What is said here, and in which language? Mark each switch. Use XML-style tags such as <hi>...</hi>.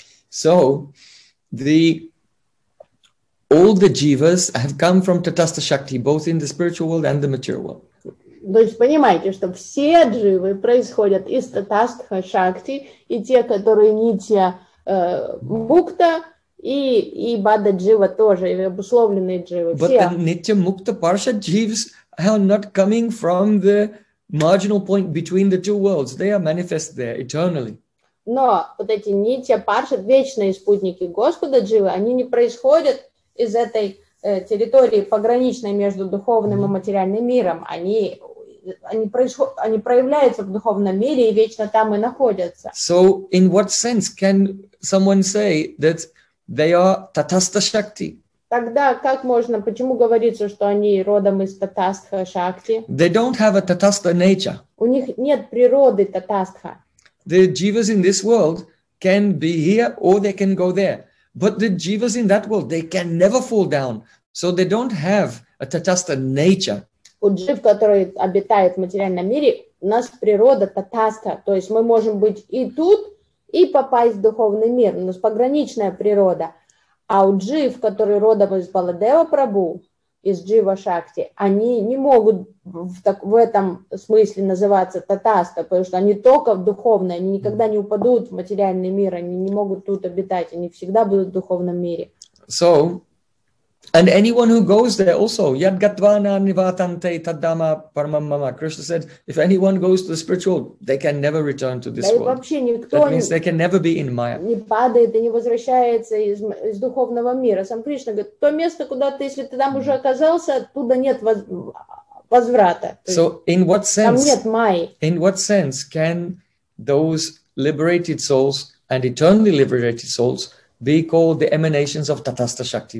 <en>So, all the jivas have come from татастха шакти, both in the spiritual world and the material world.</en> <ru>То есть понимаете, что все дживы происходят из татастха шакти, и те, которые нитья мукта, и бада джива тоже, и обусловленные дживы.</ru> <en>But</en> <ru>все.</ru> <en>The nitya mukta parsha jivas are not coming from the marginal point between the two worlds. They are manifest there eternally.</en> <ru>Но вот эти нитья парша, вечные спутники Господа дживы, они не происходят из этой территории пограничной между духовным и материальным миром, они проявляются в духовном мире и вечно там и находятся.</ru> <en>So, in what sense can someone say that they are tatastha shakti?</en> <ru>Тогда как можно, почему говорится, что они родом из татастха шакти?</ru> <en>They don't have a tatastha nature.</en> <ru>У них нет природы татастха.</ru> <en>The jivas in this world can be here or they can go there. But the jivas in that world, they can never fall down. So they don't have a tatastha nature.</en> <ru>У джив, который обитает в материальном мире, у нас природа татастха. То есть мы можем быть и тут, и попасть в духовный мир. У нас пограничная природа. А у джив, который родом из Баладева Прабу, из джива шакти, они не могут в этом смысле называться татаста, потому что они только духовные, они никогда не упадут в материальный мир, они не могут тут обитать, они всегда будут в духовном мире.</ru> <en>So, and anyone who goes there also,</en> <sa>yad gatvana nivatante taddama paramam mama.</sa> <en>Krishna said, if anyone goes to the spiritual, they can never return to this world.</en> <ru>Вообще никто,</ru> <en>that means they can never be in Maya.</en> <ru>Не падает и не возвращается из духовного мира. Сам Кришна говорит, то место, куда ты, если ты там уже оказался, оттуда нет возврата.</ru> <en>So, in what sense?</en> <ru>Там нет Майи.</ru> <en>In what sense can those liberated souls and eternally liberated souls be called the emanations of Tatastha Shakti?</en>